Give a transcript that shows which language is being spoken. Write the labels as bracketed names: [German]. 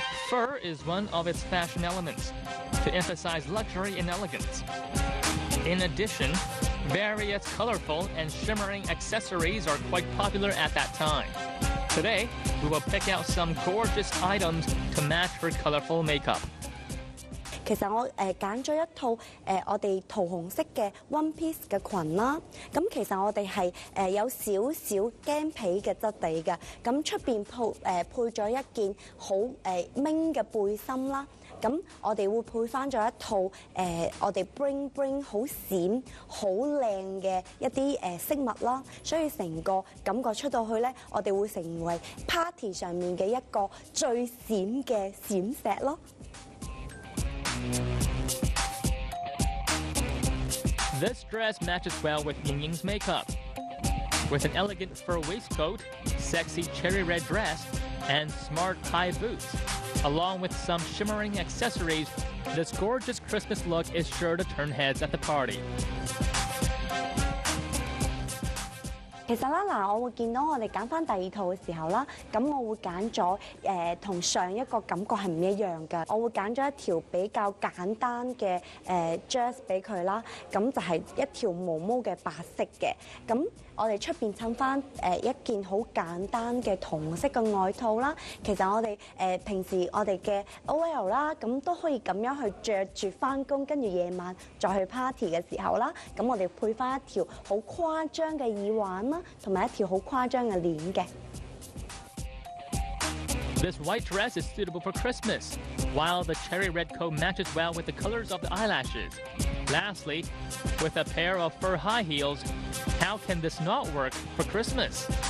[English] Fur is one of its fashion elements. To emphasize luxury and elegance. In addition, various colorful and shimmering accessories are quite popular at that time. Today, we will pick out some gorgeous items to match her colorful makeup. [Cantonese] 其實我揀咗一套我哋桃紅色嘅 one piece 嘅裙啦。咁其實我哋係有少少鋼皮嘅質地嘅。咁出邊配咗一件好明嘅背心啦。咁我哋會配翻咗一套我哋 bling bling 好閃好靚嘅一啲飾物啦，所以成個感覺出到去咧，我哋會成為 party 上面嘅一個最閃嘅閃石咯。 [English] This dress matches well with Ying Ying's makeup, with an elegant fur waistcoat, sexy cherry red dress, and smart high boots. Along with some shimmering accessories, this gorgeous Christmas look is sure to turn heads at the party. [Cantonese] 其實我會見到我哋揀翻第二套嘅時候啦，咁我會揀咗同上一個感覺係唔一樣嘅，我會揀咗一條比較簡單嘅dress 俾佢啦，咁就係一條毛毛嘅白色嘅，咁我哋出邊襯翻一件好簡單嘅同色嘅外套啦。其實我哋平時我哋嘅 OL 啦，咁都可以咁樣去著住翻工，跟住夜晚再去 party 嘅時候啦，咁我哋配翻一條好誇張嘅耳環啦，同埋一條好誇張嘅鏈嘅。 [English] This white dress is suitable for Christmas, while the cherry red coat matches well with the colors of the eyelashes. Lastly, with a pair of fur high heels, how can this not work for Christmas?